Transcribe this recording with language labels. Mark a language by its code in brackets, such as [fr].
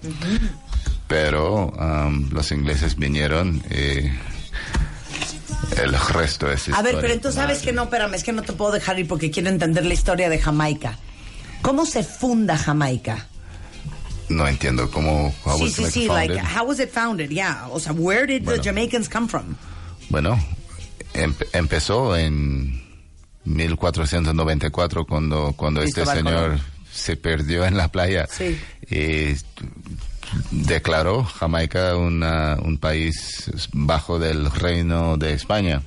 [es] Uh-huh. Pero los ingleses vinieron y el resto es historia. A ver, pero tú sabes que no, espérame, es que no te puedo dejar ir porque quiero entender la historia de Jamaica. ¿Cómo se funda Jamaica? No entiendo cómo. [en] How was it founded? Yeah. [es] O sea, [en] where did the Jamaicans come from? [es] Bueno, empezó en 1494 cuando Cristóbal este señor Colón se perdió en la playa. Sí. Y declaró Jamaica un país bajo del reino de España.